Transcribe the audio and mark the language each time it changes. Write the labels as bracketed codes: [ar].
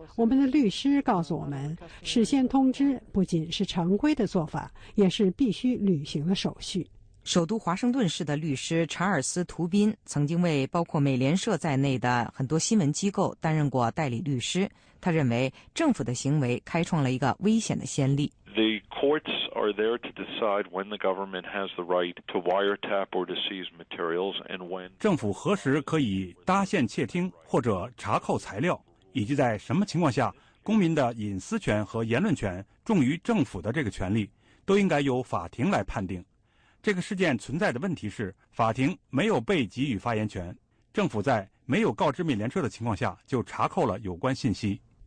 [zh] 我们的律师告诉我们，事先通知不仅是常规的做法，也是必须履行的手续。首都华盛顿市的律师查尔斯·图宾曾经为包括美联社在内的很多新闻机构担任过代理律师，他认为政府的行为开创了一个危险的先例。 [en] The courts are there to decide when the government has the right to wiretap or to seize materials and when [zh] 政府何时可以搭线窃听或者查扣材料，以及在什么情况下公民的隐私权和言论权重于政府的这个权利，都应该由法庭来判定。这个事件存在的问题是，法庭没有被给予发言权，政府在没有告知美联社的情况下就查扣了有关信息。